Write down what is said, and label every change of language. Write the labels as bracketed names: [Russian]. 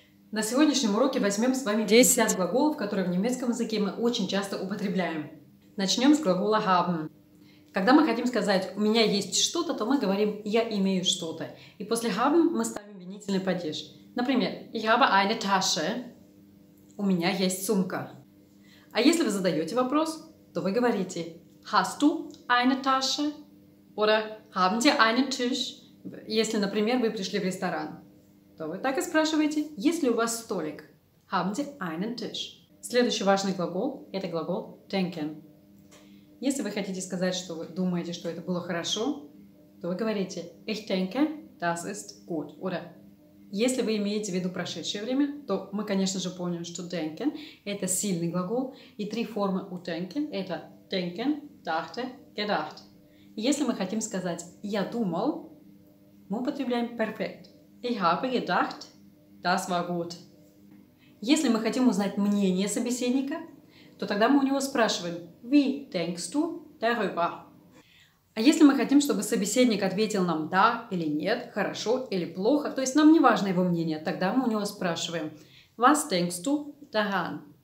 [Russian] На сегодняшнем уроке возьмем с вами 10 глаголов, которые в немецком языке мы очень часто употребляем. Начнем с глагола haben. Когда мы хотим сказать «у меня есть что-то», то мы говорим «я имею что-то». И после haben мы ставим винительный падеж. [German] Например, «Ich habe eine Tasche». [Russian] «У меня есть сумка». А если вы задаете вопрос, то вы говорите [German] «Hast du eine Tasche?» oder «Haben Sie einen Tisch?» [Russian] Если, например, вы пришли в ресторан, то вы так и спрашиваете «Есть ли у вас столик?» [German] «Haben Sie einen Tisch?» [Russian] Следующий важный глагол – это глагол «denken». Если вы хотите сказать, что вы думаете, что это было хорошо, то вы говорите [German] «Ich denke, das ist gut» [Russian] oder если вы имеете в виду прошедшее время, то мы, конечно же, поняли, что denken – это сильный глагол, и три формы у denken – это [German] denken, dachte, gedacht. [Russian] Если мы хотим сказать «я думал», мы употребляем perfekt. [German] Ich habe gedacht, das war gut. [Russian] Если мы хотим узнать мнение собеседника, то тогда мы у него спрашиваем [German] «wie denkst du darüber?». [Russian] А если мы хотим, чтобы собеседник ответил нам «да» или «нет», «хорошо» или «плохо», то есть нам не важно его мнение, тогда мы у него спрашиваем [German] «Was denkst du daran?».